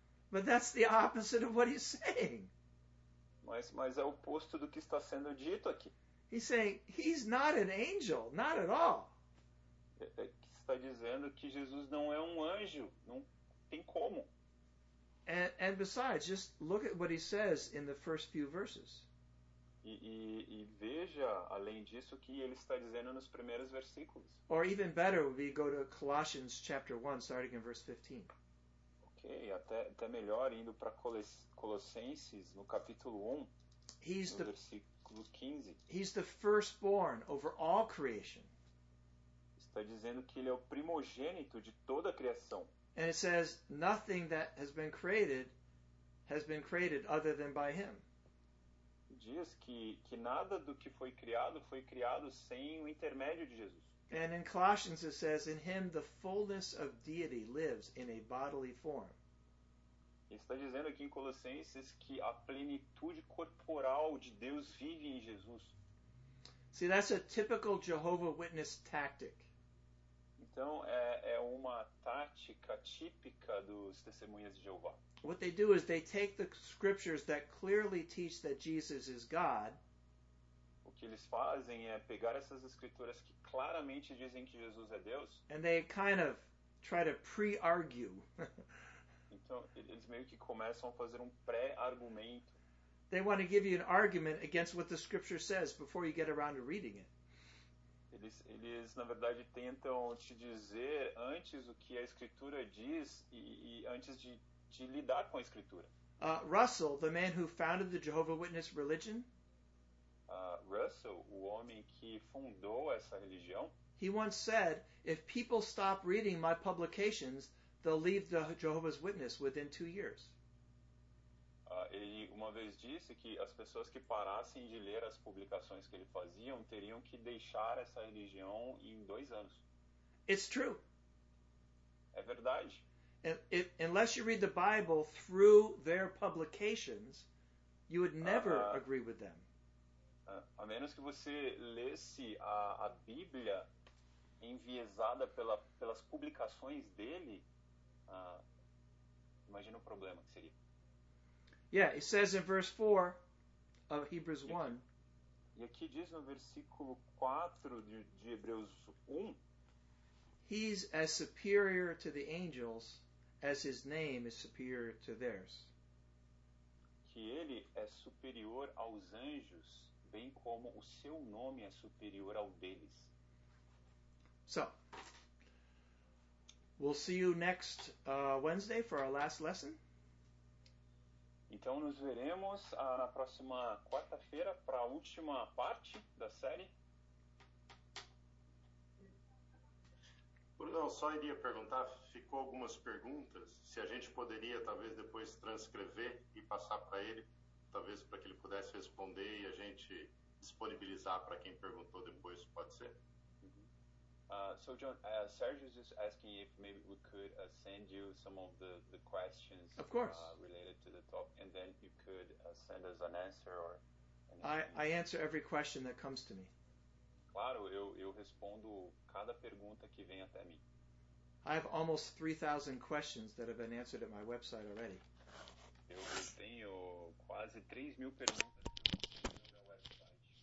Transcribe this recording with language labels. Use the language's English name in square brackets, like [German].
[English] But that's the opposite of what he's saying. [Portuguese] Mas é o oposto do que está sendo dito aqui. [English] He's saying he's not an angel, not at all. [Portuguese] Está dizendo que Jesus não é um anjo, não tem como. [English] And besides, just look at what he says in the first few verses. [Portuguese] E veja, além disso, o que ele está dizendo nos primeiros versículos. [English] Or even better, we go to Colossians chapter 1, starting in verse 15. [Portuguese] Ok, até melhor, indo para Colossenses, no capítulo 1, versículo 15. [English] He's the firstborn over all creation. [Portuguese] Está dizendo que ele é o primogênito de toda a criação. [English] And it says nothing that has been created other than by him. [Portuguese] Diz que nada do que foi criado sem o intermédio de Jesus. [English] And in Colossians it says in him the fullness of deity lives in a bodily form. [Portuguese] Está dizendo aqui em Colossenses que a plenitude corporal de Deus vive em Jesus. [English] See, that's a typical Jehovah Witness tactic. [Portuguese] Então, é uma tática típica dos testemunhas de Jeová. [English] What they do is they take the scriptures that clearly teach that Jesus is God. [Portuguese] O que eles fazem é pegar essas escrituras que claramente dizem que Jesus é Deus. [English] And they kind of try to pre-argue. [Portuguese] Então, eles meio que começam a fazer um pré-argumento. [English] They want to give you an argument against what the scripture says before you get around to reading it. [Portuguese] Eles, na verdade, tentam te dizer antes o que a Escritura diz e antes de lidar com a Escritura. [English] Russell, the man who founded the Jehovah Witness religion, [Portuguese] Russell, o homem que fundou essa religião, [English] he once said, if people stop reading my publications, they'll leave the Jehovah's Witness within 2 years. [Portuguese] Ele uma vez disse que as pessoas que parassem de ler as publicações que ele fazia teriam que deixar essa religião em 2 anos. [English] It's true. [Portuguese] É verdade. [English] Unless you read the Bible through their publications, you would never agree with them. [Portuguese] A menos que você lesse a Bíblia enviesada pelas publicações dele, imagina o problema que seria. [English] Yeah, it says in verse 4 of Hebrews 1. [Portuguese] E aqui diz no versículo 4 de Hebreus 1. [English] He's as superior to the angels as his name is superior to theirs. [Portuguese] Que ele é superior aos anjos, bem como o seu nome é superior ao deles. [English] So, we'll see you next Wednesday for our last lesson. [Portuguese] Então, nos veremos na próxima quarta-feira para a última parte da série. Bruno, só iria perguntar, ficou algumas perguntas, se a gente poderia talvez depois transcrever e passar para ele, talvez para que ele pudesse responder e a gente disponibilizar para quem perguntou depois, pode ser? Uhum. [English] So John, Sergio is just asking if maybe we could send you some of the questions of course. Related to the topic, and then you could send us an answer or anything. I answer every question that comes to me. [Portuguese] Claro, eu respondo cada pergunta que vem até mim. [English] I have almost 3,000 questions that have been answered at my website already. [Portuguese] Eu tenho quase 3,000 perguntas que eu tenho na minha website.